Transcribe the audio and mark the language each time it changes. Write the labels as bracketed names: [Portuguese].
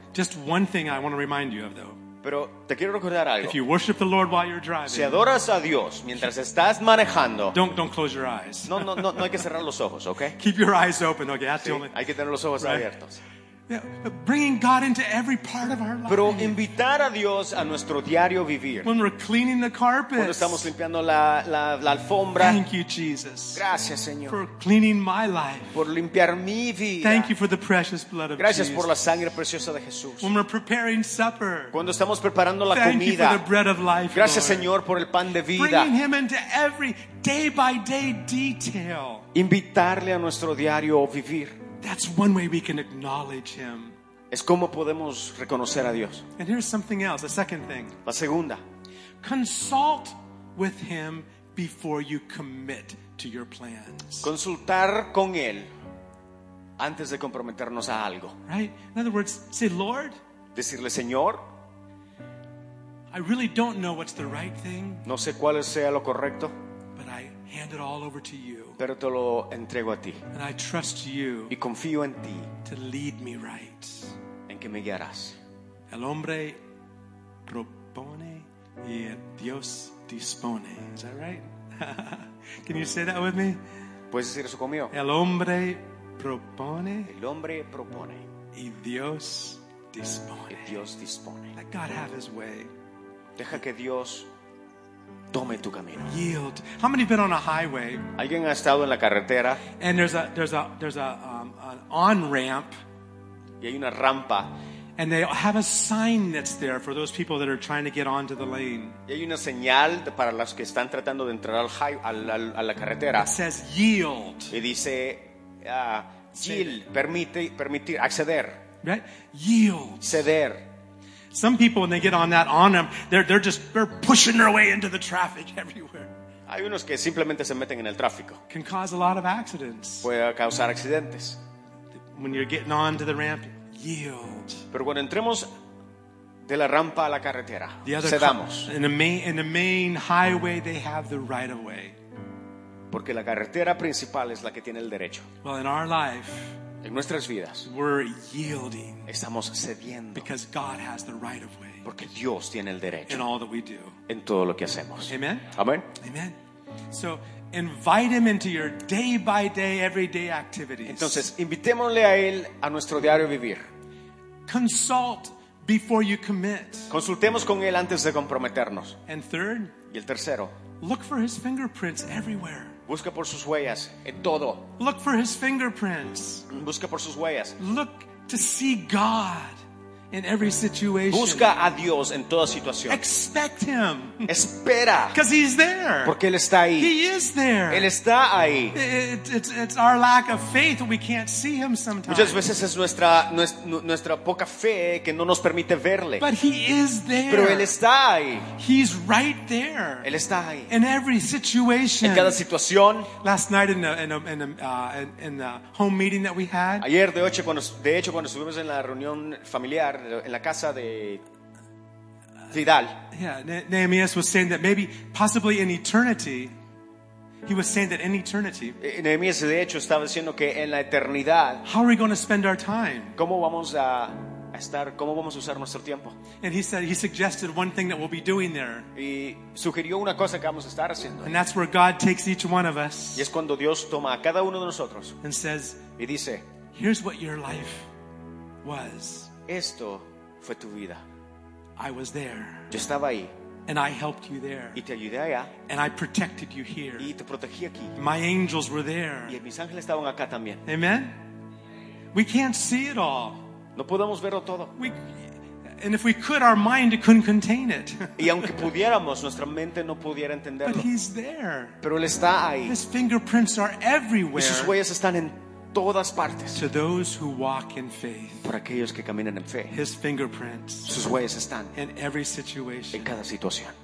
[English] Just one thing I want to remind you of, though. [Spanish] Pero te quiero recordar algo. [English] If you worship the Lord while you're driving, [Spanish] si adoras a Dios mientras estás manejando, [English] don't close your eyes. [Spanish] No hay que cerrar los ojos, okay? [English] Keep your eyes open, okay? That's [Spanish] sí, [English] the only... [Spanish] hay que tener los ojos right. abiertos. [English] Yeah, bringing God into every part of our life. [Spanish] Pero invitar a Dios a nuestro diario vivir. [English] When we're cleaning the carpets. [Spanish] Cuando estamos limpiando la alfombra. [English] Thank you, Jesus. [Spanish] Gracias, Señor. [English] For cleaning my life. [Spanish] Por limpiar mi vida. [English] Thank you for the precious blood of [Spanish] Gracias Gracias por la sangre preciosa de Jesús. [English] When we're preparing supper. [Spanish] Cuando estamos preparando la [English] Thank [Spanish] comida. [English] Thank you for the bread of life. [Spanish] Gracias, [English] Lord. [Spanish] Señor, por el pan de vida. [English] Bringing him into every day by day detail. [Spanish] Invitarle a nuestro diario vivir. [English] That's one way we can acknowledge him. [Spanish] Es como podemos reconocer a Dios. [English] And here's something else, a second thing. [Spanish] La segunda. [English] Consult with him before you commit to your plans. [Spanish] Consultar con él antes de comprometernos a algo. [English] Right? In other words, say, Lord. [Spanish] Decirle, Señor. [English] I really don't know what's the right thing. [Spanish] No sé cuál sea lo correcto. [English] But I hand it all over to you. [Spanish] Pero te lo entrego a ti. [English] And I trust you. [Spanish] Y confío en ti. [English] To lead me right. [Spanish] En que me guiarás. El hombre propone y Dios dispone. [English] Is that right? Can you say that with me? [Spanish] ¿Puedes decir eso conmigo? El hombre propone. El hombre propone. Y Dios dispone. Y Dios dispone. [English] Let God have his way. [Spanish] Deja que Dios tome tu camino. [English] Yield. How many have been on a highway? [Spanish] ¿Alguien ha estado en la carretera? [English] And there's an on ramp. [Spanish] Y hay una rampa. [English] And they have a sign that's there for those people that are trying to get onto the lane. [Spanish] Y hay una señal para los que están tratando de entrar a la carretera. [English] It says yield. [Spanish] Y dice yield, permitir acceder. [English] Right? Yield. [Spanish] Ceder. [English] Some people, when they get on that on ramp, they're pushing their way into the traffic everywhere. [Spanish] Hay unos que simplemente se meten en el tráfico. [English] Can cause a lot of accidents. [Spanish] Puede causar accidentes. [English] When you're getting on to the ramp, yield. [Spanish] Pero cuando entremos de la rampa a la carretera, cedamos. [English] In the main highway, they have the right of way. [Spanish] Porque la carretera principal es la que tiene el derecho. [English] Well, in our life. [Spanish] En nuestras vidas, [English] we're yielding, [Spanish] estamos cediendo, [English] because God has the right of way, [Spanish] porque Dios tiene el derecho, [English] in all that we do, [Spanish] en todo lo que hacemos. Amen. Amen. Amen. [English] So invite him into your day by day, everyday activities. [Spanish] Entonces, invitémosle a él a nuestro diario vivir. [English] Consult before you commit. [Spanish] Consultemos con él antes de comprometernos. [English] And third, [Spanish] y el tercero, [English] look for his fingerprints everywhere. [Spanish] Busca por sus huellas en todo. [English] Look for his fingerprints. [Spanish] Busca por sus huellas. [English] Look to see God in every situation. [Spanish] Busca a Dios en toda situación. [English] Expect him. [Spanish] Espera. [English] Because he's there. [Spanish] Porque él está ahí. [English] He is there. [Spanish] Él está ahí. [English] It's our lack of faith that we can't see him sometimes. [Spanish] Muchas veces es nuestra poca fe que no nos permite verle. [English] But he is there. [Spanish] Pero él está ahí. [English] He's right there. [Spanish] Él está ahí. [English] In every situation. [Spanish] En cada situación. [English] Last night in the home meeting that we had. [Spanish] Ayer de hecho cuando estuvimos en la reunión familiar en la casa de Vidal. [English] Nehemías was saying that maybe possibly in eternity. He was saying that in eternity. [Spanish] Nehemías de hecho estaba diciendo que en la eternidad. [English] How are we going to spend our time? [Spanish] ¿Cómo vamos a estar? ¿Cómo vamos a usar nuestro tiempo? [English] And he said, he suggested one thing that we'll be doing there. [Spanish] Y sugirió una cosa que vamos a estar haciendo. [English] And that's where God takes each one of us. [Spanish] Y es cuando Dios toma a cada uno de nosotros. [English] And says, [Spanish] y dice, [English] here's what your life was. [Spanish] Esto fue tu vida. [English] I was there. [Spanish] Yo estaba ahí. [English] And I helped you there. [Spanish] Y te ayudé allá. [English] And I protected you here. [Spanish] Y te protegí aquí. [English] My angels were there. [Spanish] Y mis ángeles estaban acá también. [English] Amen. We can't see it all. [Spanish] No podemos verlo todo. [English] And if we could, our mind couldn't contain it. [Spanish] Y aunque pudiéramos, nuestra mente no pudiera entenderlo. [English] But he's there. [Spanish] Pero él está ahí. [English] His fingerprints are everywhere. [Spanish] Y sus huellas están en todas partes. [English] To those who walk in faith. [Spanish] Por aquellos que caminan en fe. [English] His fingerprints. [Spanish] Sus huellas están. [English] In every situation. [Spanish] En cada situación.